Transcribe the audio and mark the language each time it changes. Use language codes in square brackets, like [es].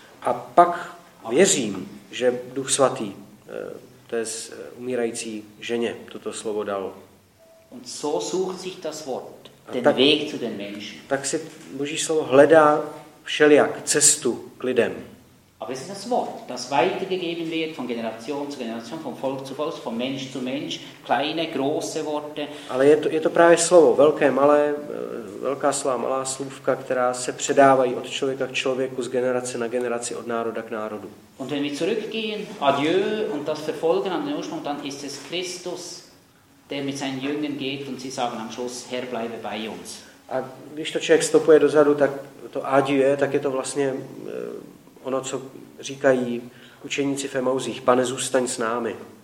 [cs] A pak věřím, že Duch Svatý té umírající ženě toto slovo dal. [de] Und so sucht sich das Wort den [cs] tak, [de] Weg zu den Menschen. [cs] Tak si Boží slovo hledá všelijak cestu k lidem. [de] Aber es ist das Wort, das weitergegeben wird von Generation zu Generation, von Volk zu Volk, von Mensch zu Mensch, kleine, große Worte. [cs] Ale je to právě slovo, velké, malé, velká slova, malá slůvka, která se předávají od člověka k člověku z generace na generaci, od národa k národu. [de] Und wenn wir zurückgehen, adieu, und das verfolgen an den Ursprung, dann ist es Christus, der mit seinen Jüngern geht und sie sagen am Schluss, Herr, bleibe bei uns. [cs] A když to člověk stopuje dozadu, tak to adieu, tak je to vlastně ono, co říkají učeníci v Emauzích, Pane, zůstaň s námi.